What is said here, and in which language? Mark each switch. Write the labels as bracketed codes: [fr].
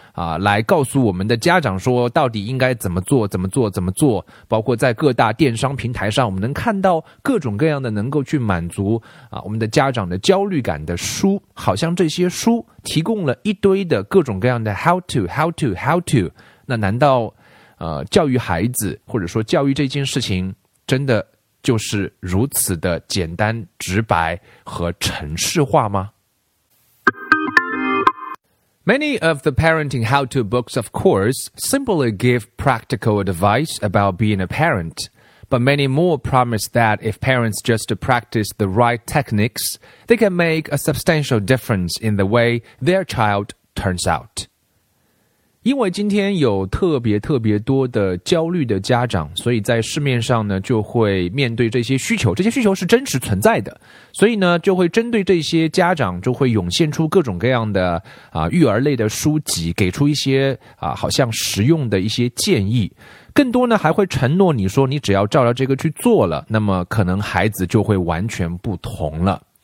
[zh] 啊，来告诉我们的家长说到底应该怎么做怎么做怎么做，包括在各大电商平台上我们能看到各种各样的能够去满足啊我们的家长的焦虑感的书，好像这些书提供了一堆的各种各样的 [en] how to how to how to， [zh] 那难道教育孩子或者说教育这件事情真的就是如此的简单直白和程式化吗？ [en] Many of the parenting how-to books, of course, simply give practical advice about being a parent, but many more promise that if parents just practice the right techniques, they can make a substantial difference in the way their child turns out. [zh] 因为今天有特别特别多的焦虑的家长，所以在市面上呢，就会面对这些需求，这些需求是真实存在的，所以呢，就会针对这些家长，就会涌现出各种各样的育儿类的书籍，给出一些好像实用的一些建议，更多呢，还会承诺你说，你只要照着这个去做了，那么可能孩子就会完全不同了。